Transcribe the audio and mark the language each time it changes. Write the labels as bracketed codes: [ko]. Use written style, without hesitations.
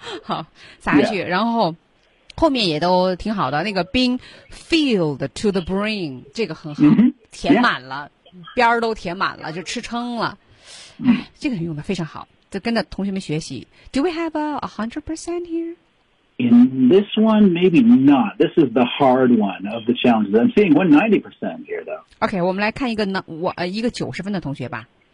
[zh] 好撒下去、 [en] yeah. [zh] 然后后面也都挺好的，那个 [en] being filled to the brim [zh] 这个很好、 mm-hmm. 填满了、 [en] yeah. [zh] 边儿都填满了就吃撑了，哎，这个用的非常好，就跟着同学们学习。 [en] Do we have a 100% here? In this one, maybe not. This is the hard one of the challenges. I'm seeing 190% here, though. [zh] Okay, 我们来看一个呢，我一个九十分的同学吧。